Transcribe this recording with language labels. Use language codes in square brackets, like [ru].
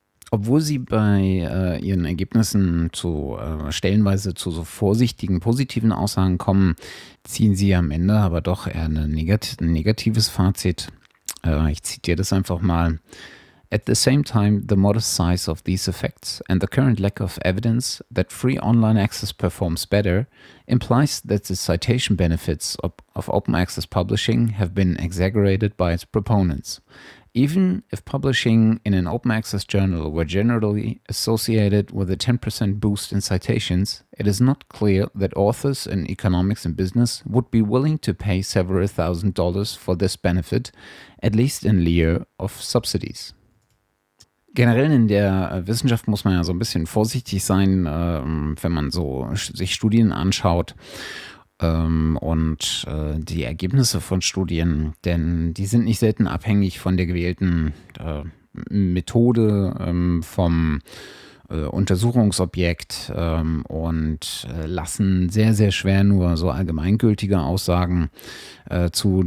[de] Obwohl sie bei ihren Ergebnissen zu stellenweise zu so vorsichtigen positiven Aussagen kommen, ziehen sie am Ende aber doch eher ein negatives Fazit. Ich zitiere das einfach mal. [en] At the same time, the modest size of these effects and the current lack of evidence that free online access performs better implies that the citation benefits of open access publishing have been exaggerated by its proponents. Even if publishing in an open access journal were generally associated with a 10% boost in citations, it is not clear that authors in economics and business would be willing to pay several thousand dollars for this benefit, at least in lieu of subsidies. [de] Generell in der Wissenschaft muss man ja so ein bisschen vorsichtig sein, wenn man so sich Studien anschaut und die Ergebnisse von Studien, denn die sind nicht selten abhängig von der gewählten Methode, vom Untersuchungsobjekt und lassen sehr, sehr schwer nur so allgemeingültige Aussagen zu.